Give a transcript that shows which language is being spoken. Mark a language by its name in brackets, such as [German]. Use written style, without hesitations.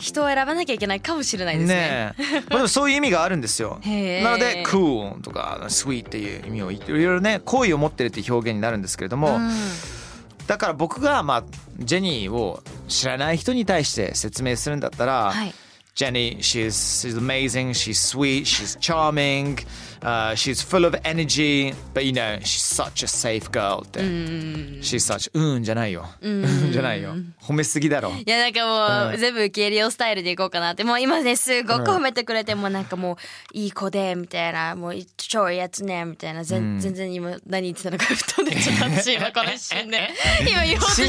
[Japanese] 人を選ばなきゃいけないかもしれないです ね、まあ、でもそういう意味があるんですよ。なので Cool とか Sweet っていう意味をいろいろね、好意を持ってるっていう表現になるんですけれども、うん、だから僕が、まあ、ジェニーを知らない人に対して説明するんだったら、はい、 [English] Jenny, she's amazing, she's sweet, she's charming, she's full of energy, but you know, she's such a safe girl. [Japanese] って、うん、 [English] she's such, [Japanese] うんじゃないよ。うんじゃないよ。褒めすぎだろ。いや、なんかもう、うん、全部受け入れようスタイルでいこうかなって。もう今ね、すごく褒めてくれて、うん、もうなんかもう、いい子で、みたいな、もう、超やつね、みたいな。うん、全然今、何言ってたのか、布団でちょっと私今、この一瞬で。今、言おうとして。